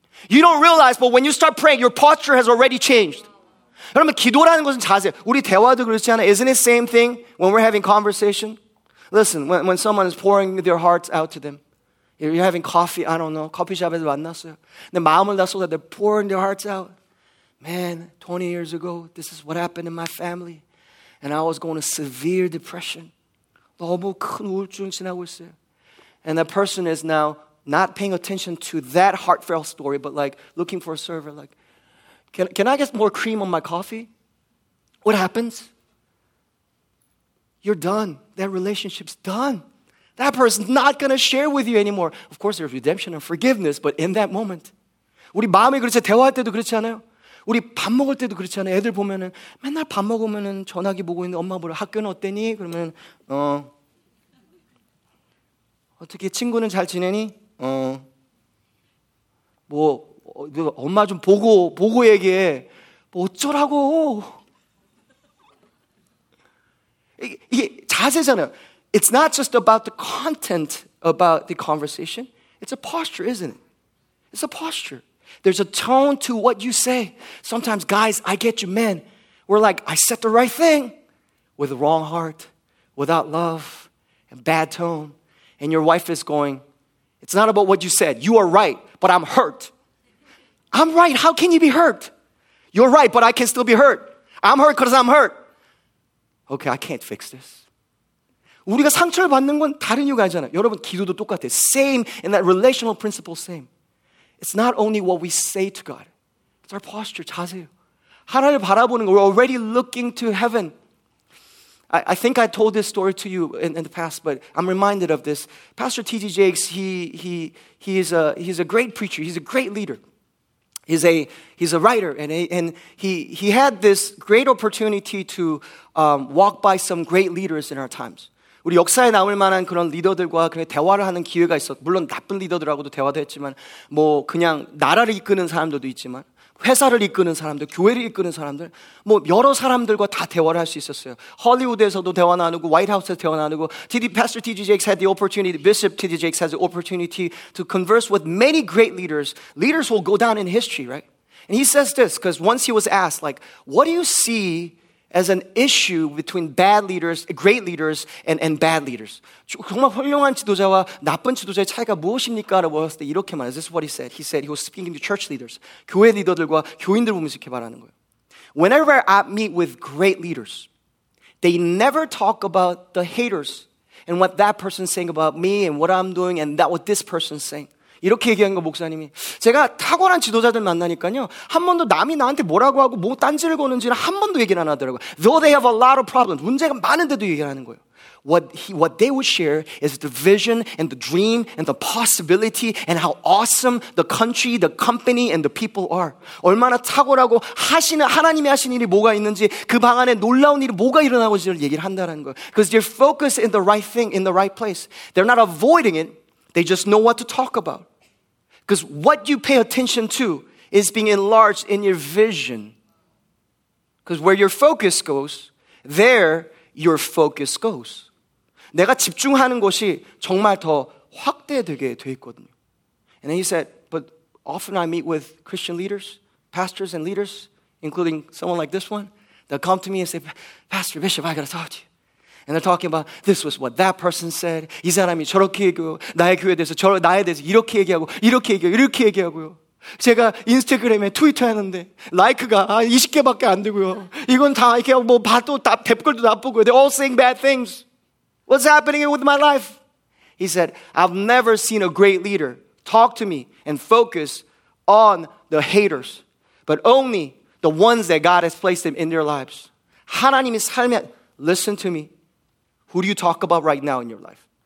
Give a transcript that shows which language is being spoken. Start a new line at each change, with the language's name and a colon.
English: You don't realize, but when you start praying, your posture has already changed.
Korean: 여러분, 기도라는 것은 자세. 우리 대화도 그렇지 않아?
English: Isn't it same thing when we're having conversation? Listen, when someone is pouring their hearts out to them. You're having coffee, I don't know.
Korean: 커피숍에서 만났어요. 내 마음을 다 쏟아,
English: they're pouring their hearts out. Man, 20 years ago, this is what happened in my family. And I was going to severe depression.
Korean: 너무 큰 우울증 지나고 있어요.
English: And that person is now not paying attention to that heartfelt story, but like looking for a server, like, can I get more cream on my coffee? What happens? You're done. That relationship's done. That person's not going to share with you anymore. Of course, there's redemption and forgiveness, but in that moment.
Korean: 우리 마음이 그렇지, 대화할 때도 그렇지 않아요? 우리 밥 먹을 때도 그렇지 않아요? 애들 보면은 맨날 밥 먹으면은 전화기 보고 있는데 엄마 보러 학교는 어때니? 그러면 어떻게 친구는 잘 지내니? 뭐 엄마 좀 보고 얘기해. 뭐 어쩌라고? 이게 자세잖아요.
English: It's not just about the content about the conversation? It's a posture, isn't it? It's a posture. There's a tone to what you say. Sometimes, guys, I get you, men. We're like, I said the right thing with the wrong heart, without love, and bad tone. And your wife is going, it's not about what you said. You are right, but I'm hurt. I'm right. How can you be hurt? You're right, but I can still be hurt. I'm hurt because I'm hurt. Okay, I can't fix this.
Korean: 우리가 상처를 받는 건 다른 이유가 아니잖아요. 여러분, 기도도 똑같아요.
English: Same in that relational principle, same. It's not only what we say to God. It's our posture,
Korean: 자세요. 하나님을 바라보는 거,
English: we're already looking to heaven. I think I told this story to you in the past, but I'm reminded of this. Pastor T.G. Jakes, he's a great preacher. He's a great leader. He's a writer, and he had this great opportunity to walk by some great leaders in our times.
Korean: 우리 역사에 나올 만한 그런 리더들과 그냥 대화를 하는 기회가 있었어. 물론 나쁜 리더들하고도 대화도 했지만, 뭐 그냥 나라를 이끄는 사람들도 있지만, 회사를 이끄는 사람들, 교회를 이끄는 사람들, 뭐 여러 사람들과 다 대화를 할 수 있었어요. 할리우드에서도 대화 나누고, 화이트하우스에서 대화 나누고, Pastor T.G.
English: Jakes had the opportunity, Bishop T.G. Jakes has the opportunity to converse with many great leaders. Leaders will go down in history, right? And he says this, because once he was asked, like, what do you see as an issue between bad leaders, great leaders, and bad leaders?
Korean: 정말 훌륭한 지도자와 나쁜 지도자의 차이가 무엇입니까? 라고 했을 때 이렇게 말해요.
English: This is what he said. He said he was speaking to church leaders,
Korean: 교회 리더들과 교인들 보면서 이렇게 말하는 거예요.
English: Whenever I meet with great leaders, they never talk about the haters and what that person's saying about me and what I'm doing and that what this person's saying.
Korean: 이렇게 얘기한 거 목사님이 제가 탁월한 지도자들 만나니까요 한 번도 남이 나한테 뭐라고 하고 뭐 딴지를 거는지는 한 번도 얘기를 안 하더라고요
English: Though they have a lot of problems
Korean: 문제가 많은데도 얘기를 하는 거예요
English: What they would share is the vision and the dream and the possibility and how awesome the country, the company, and the people are.
Korean: 얼마나 탁월하고 하시는 하나님이 하신 일이 뭐가 있는지 그 방 안에 놀라운 일이 뭐가 일어나고 있는지를 얘기를 한다는 거예요
English: Because they're focused in the right thing, in the right place. They're not avoiding it. They just know what to talk about. Because what you pay attention to is being enlarged in your vision. Because where your focus goes, there your focus goes.
Korean: 내가 집중하는 곳이 정말 더 확대되게 돼 있거든요.
English: And then he said, but often I meet with Christian leaders, pastors and leaders, including someone like this one, they'll come to me and say, Pastor Bishop, I gotta talk to you. And they're talking about, this was what that person said.
Korean: 이 사람이 저렇게 얘기하고, 나의 교회에 대해서, 나에 대해서 이렇게 얘기하고, 이렇게 얘기하고, 이렇게 얘기하고요. 제가 인스타그램에 트위터 했는데, 라이크가 20개밖에 안 되고요. 이건 다 이렇게 뭐 봐도 다, 댓글도 나쁘고요.
English: They're all saying bad things. What's happening with my life? He said, I've never seen a great leader talk to me and focus on the haters, but only the ones that God has placed them in their lives.
Korean: 하나님이 삶에,
English: listen to me. Who do you talk about right now in your life?